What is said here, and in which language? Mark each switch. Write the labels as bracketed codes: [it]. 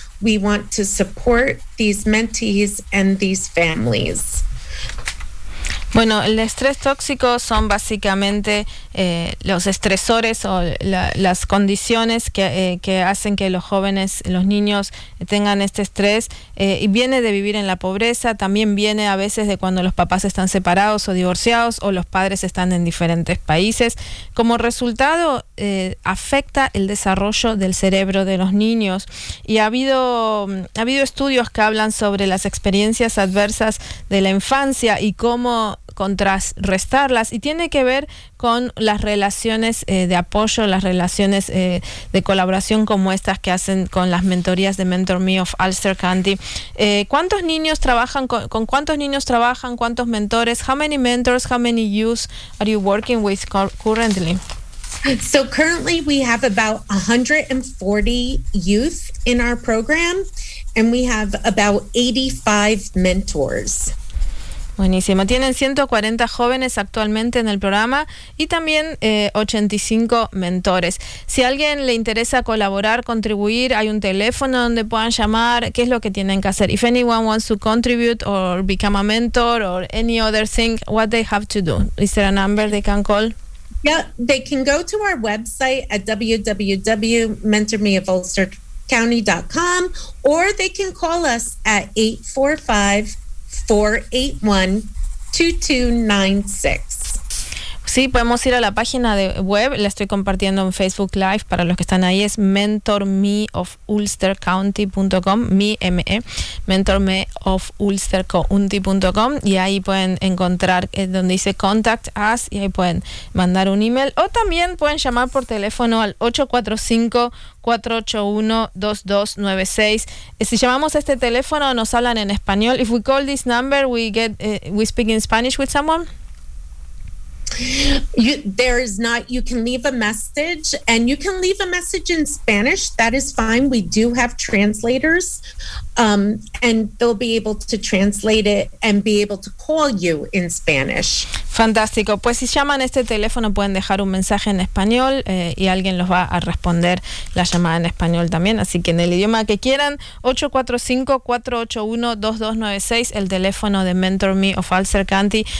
[en] We want to support these mentees and these families. [es] Bueno, el estrés tóxico son básicamente los estresores o las condiciones que hacen que los jóvenes, los niños tengan este estrés y viene de vivir en la pobreza, también viene a veces de cuando los papás están separados o divorciados o los padres están en diferentes países. Como resultado, afecta el desarrollo del cerebro de los niños y ha habido estudios que hablan sobre las experiencias adversas de la infancia y cómo contrarrestarlas, y tiene que ver con las relaciones de apoyo, las relaciones de colaboración como estas que hacen con las mentorías de MentorMe of Ulster County. ¿Cuántos niños trabajan con cuántos niños trabajan, cuántos mentores? [en] How many mentors, how many youth are you working with currently? So currently we have about 140 youth in our program and we have about 85 mentors. [es] Buenísimo. Tienen 140 jóvenes actualmente en el programa y también 85 mentores. Si a alguien le interesa colaborar, contribuir, hay un teléfono donde puedan llamar. ¿Qué es lo que tienen que hacer? [en] If anyone wants to contribute or become a mentor or any other thing, what they have to do? Is there a number they can call? Yeah, they can go to our website at www.mentormeofulstercounty.com or they can call us at 845-481-2296. [es] Sí, podemos ir a la página de web, la estoy compartiendo en Facebook Live para los que están ahí, es mentormeofulstercounty.com, mentormeofulstercounty.com, y ahí pueden encontrar donde dice [en] contact us [es] y ahí pueden mandar un email o también pueden llamar por teléfono al 845-481-2296. Si llamamos a este teléfono nos hablan en español. [en] If we call this number we get we speak in Spanish with someone. You can leave a message and you can leave a message in Spanish. That is fine. We do have translators and they'll be able to translate it and be able to call you in Spanish. [es] Fantástico. Pues si llaman este teléfono pueden dejar un mensaje en español y alguien los va a responder la llamada en español también. Así que en el idioma que quieran, 845-481-2296, el teléfono de MentorMe of Ulster County.